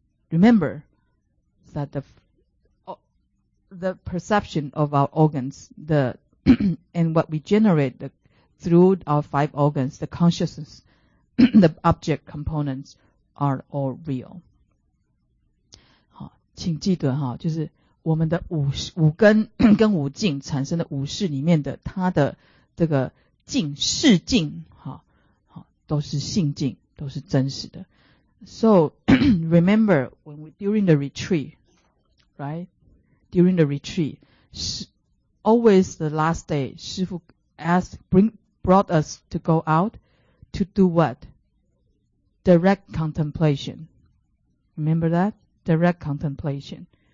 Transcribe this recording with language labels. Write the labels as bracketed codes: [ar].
[en] Remember that the perception of our organs, the and what we generate the, through our five organs, the consciousness, the object components are all real. [zh] 好，请记得哈，就是我们的五根跟五境产生的五识里面的它的这个境识境，好都是性境，都是真实的。 [en] So remember when we during the retreat, right? During the retreat, always the last day, 师父 brought us to go out to do what? Direct contemplation. Remember that? Direct contemplation.